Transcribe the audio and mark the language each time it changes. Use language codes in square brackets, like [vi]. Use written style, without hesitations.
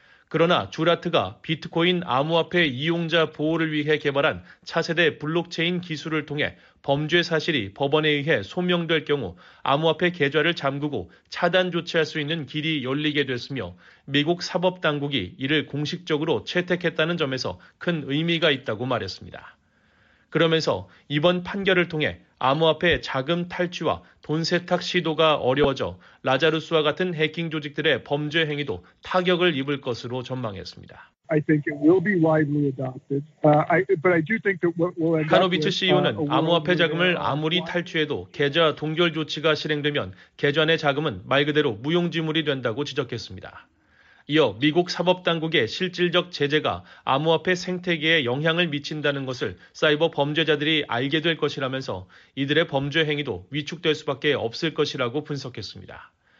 [ko] 그러나 주라트가 비트코인 암호화폐 이용자 보호를 위해 개발한 차세대 블록체인 기술을 통해 범죄 사실이 법원에 의해 소명될 경우 암호화폐 계좌를 잠그고 차단 조치할 수 있는 길이 열리게 됐으며 미국 사법당국이 이를 공식적으로 채택했다는 점에서 큰 의미가 있다고 말했습니다. 그러면서 이번 판결을 통해 암호화폐 자금 탈취와 돈 세탁 시도가 어려워져 라자루스와 같은 해킹 조직들의 범죄 행위도 타격을 입을 것으로 전망했습니다. [en] I think it will be widely adopted. But I do think that what will end up [ko] 카노비츠 CEO는 암호화폐 자금을 아무리 탈취해도 계좌 동결 조치가 실행되면 계좌 내 자금은 말 그대로 무용지물이 된다고 지적했습니다. 이어 미국 사법당국의 실질적 제재가 암호화폐 생태계에 영향을 미친다는 것을 사이버 범죄자들이 알게 될 것이라면서 이들의 범죄 행위도 위축될 수밖에 없을 것이라고 분석했습니다.